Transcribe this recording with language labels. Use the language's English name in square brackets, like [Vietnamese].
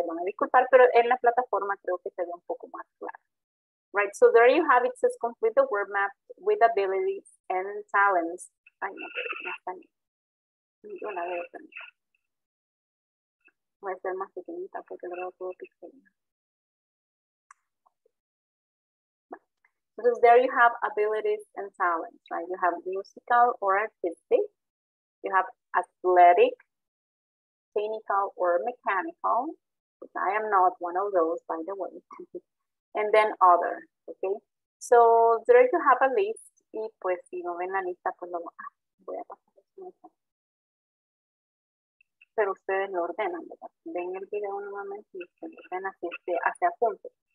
[Spanish] Y van a disculpar, pero en la plataforma creo que se ve un poco más claro. [English] Right, so there you have it, says complete the word map with abilities and talents. [Spanish] Ay, no, no está ni. Yo la veo también. Voy a ser más pequeñita porque lo veo todo pequeño. [English] So there you have abilities and talents, right? You have musical or artistic. You have athletic, technical, or mechanical. But I am not one of those, by the way. And then other, okay? So there you have a list. [Spanish] Y pues si no ven la lista, pues lo voy a pasar. Pero ustedes lo ordenan, ¿verdad? Ven el video nuevamente y se lo ordenan así, hacia apunte.